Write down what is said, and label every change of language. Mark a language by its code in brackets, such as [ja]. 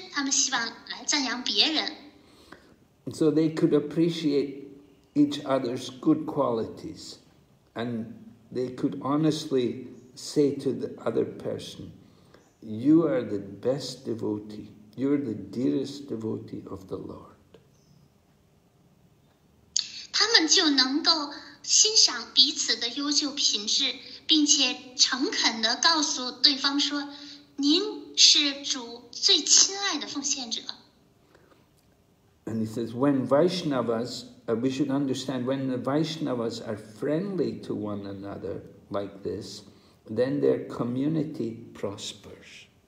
[zh] 这些聚集在Prayag的圣者们，他们都是谦卑的奉献者们，他们不喜欢听到自己受到赞扬，反之他们希望来赞扬别人。 [en] So they could appreciate each other's good qualities, and they could honestly say to the other person, "You are the best devotee. You're the dearest devotee of the Lord." [zh] 就能够欣赏彼此的优秀品质，并且诚恳地告诉对方说：“您是主最亲爱的奉献者。” [en] And he says, when Vaishnavas, we should understand, when the Vaishnavas are friendly to one another like this, then their community prospers.